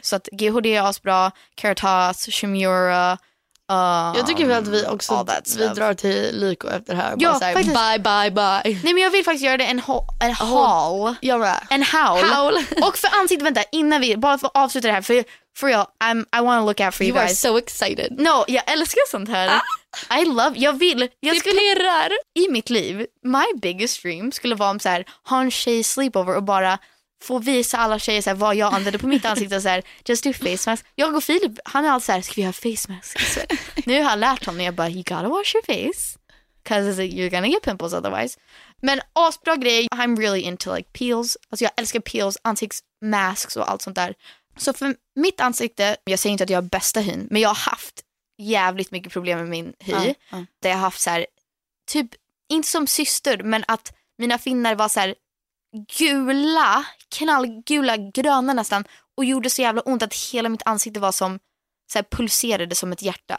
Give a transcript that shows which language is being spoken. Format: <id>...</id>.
<sv>Så att GHD är asbra, Keratas, Shimura. Jag tycker väl att vi också vi drar till Lyko efter det här. Ja, bara såhär, faktiskt. Bye. Nej, men jag vill faktiskt göra det en haul. Ja, right. En howl. Och för ansiktet, vänta, innan vi bara får avsluta det här.</sv> <en>For real, I want to look out for you guys. You are so excited.</en> <sv>No, jag älskar sånt här.</sv> <en>I love,</en> <sv>jag vill. Jag skulle pirrar. I mitt liv,</sv> <en>my biggest dream</en> <sv>skulle vara om så här, ha en tjej sleepover och bara få visa alla tjejer så här, vad jag använder på mitt ansikte. Så här,</sv> <en>just do face mask.</en> <sv>Jag och Filip, han är alltid så här, ska vi ha face mask? Så nu har jag lärt honom, jag bara,</sv> <en>you gotta wash your face. Because you're gonna get pimples otherwise.</en> <sv>Men asbra grej,</sv> <en>I'm really into like peels.</en> <sv>Alltså jag älskar peels, ansiktsmasks och allt sånt där. Så för mitt ansikte, jag säger inte att jag har bästa hyn, men jag har haft jävligt mycket problem med min hy. Där jag har haft så här, typ, inte som syster, men att mina finnar var så här gula, knallgula, gröna nästan, och gjorde så jävla ont att hela mitt ansikte var som så här, pulserade som ett hjärta.</sv>